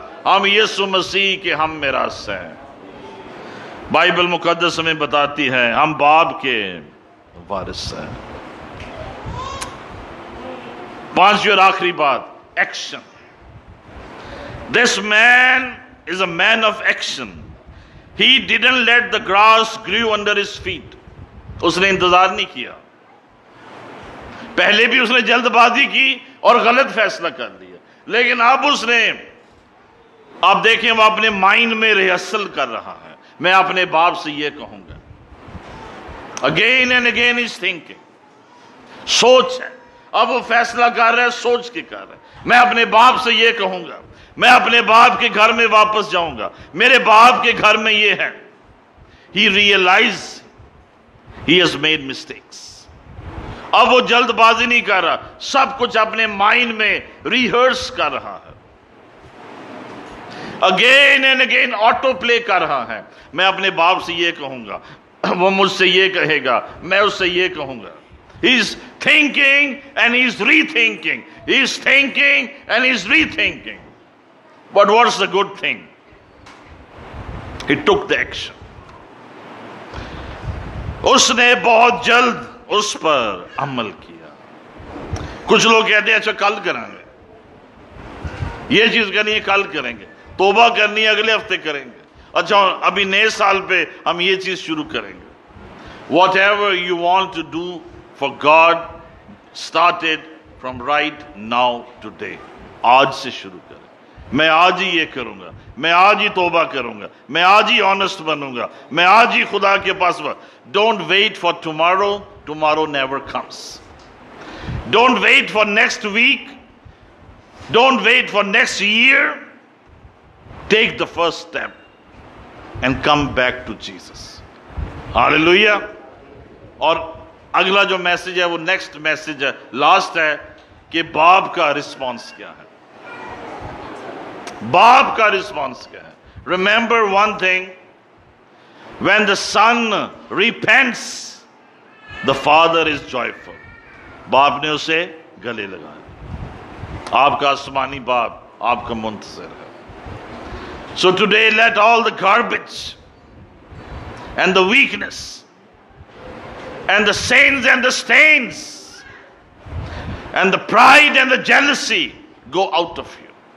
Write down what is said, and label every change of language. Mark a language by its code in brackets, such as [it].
[ur] ہم یسوع مسیح کے ہم میراث ہیں. بائبل مقدس ہمیں بتاتی ہے ہم باپ کے وارث ہیں. پانچویں اور آخری بات, action. [en] This man is a man of action. He didn't let the grass grow under his feet. [ur] اس نے انتظار نہیں کیا. پہلے بھی اس نے جلد بازی کی اور غلط فیصلہ کر دیا, لیکن اب اس نے, آپ دیکھیں وہ اپنے مائنڈ میں ریہرسل کر رہا ہے, میں اپنے باپ سے یہ کہوں گا. [en] again and again is thinking, [ur] سوچ ہے. اب وہ فیصلہ کر رہا ہے, سوچ کے کر رہا ہے, میں اپنے باپ سے یہ کہوں گا, میں اپنے باپ کے گھر میں واپس جاؤں گا, میرے باپ کے گھر میں یہ ہے. [en] He realized he has made mistakes. [ur] اب وہ جلد بازی نہیں کر رہا, سب کچھ اپنے مائنڈ میں ریہرس کر رہا ہے. [en] again and again auto play [ur] کر رہا ہے, میں اپنے باپ سے یہ کہوں گا, وہ مجھ سے یہ کہے گا, میں اس سے یہ کہوں گا. [en] He's thinking and he's rethinking. He's thinking and he's rethinking. But what's the good thing? He took the action. [ur] اس نے بہت جلد اس پر عمل کیا. کچھ لوگ کہتے ہیں اچھا کل کریں گے, یہ چیز کرنی ہے کل کریں گے, توبہ کرنی ہے اگلے ہفتے کریں گے, اچھا ابھی نئے سال پہ ہم یہ چیز شروع کریں گے. [en] whatever you want to do for God start it from right now today, [ur] آج سے شروع کریں. میں آج ہی یہ کروں گا, میں آج ہی توبہ کروں گا, میں آج ہی آنےسٹ بنوں گا, میں آج ہی خدا کے پاس. [en] Don't wait for tomorrow, tomorrow never comes. Don't wait for next week, don't wait for next year. Take the first step and come back to Jesus. Hallelujah. [ur] اور اگلا جو میسج ہے وہ نیکسٹ میسج ہے, لاسٹ ہے, کہ باپ کا رسپانس کیا ہے, باپ کا رسپانس کیا ہے. [en] Remember one thing, when the son repents the father is joyful. [ur] باپ نے اسے گلے لگایا. آپ کا آسمانی باپ آپ کا منتظر ہے. [en] So today let all the garbage and the weakness and the sins and the stains and the pride and the jealousy go out of you.